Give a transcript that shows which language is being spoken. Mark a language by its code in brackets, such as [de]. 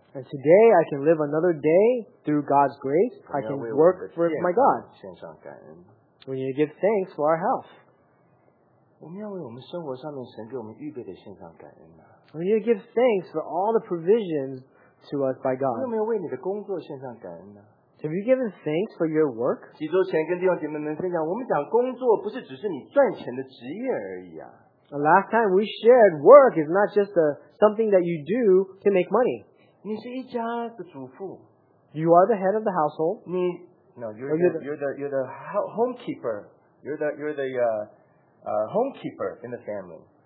[en] And today I can live another day through God's grace. I can work for my God. [zh] 献上感恩。 [en] We need to give thanks for our health. [zh] 我们要为我们生活上面神给我们预备的献上感恩啊。 [en] We need to give thanks for all the provisions to us by God. [zh] 你有没有为你的工作献上感恩呢？ [en] Have you given thanks for your work? [zh] 几周前跟弟兄姐妹们分享，我们讲工作不是只是你赚钱的职业而已啊。 [en] Last time we shared, work is not just a something that you do to make money. [zh] 你是一家的主妇。 [en] You are the head of the household. [zh] 你 [en] no, you're the homekeeper. You're the homekeeper in the family.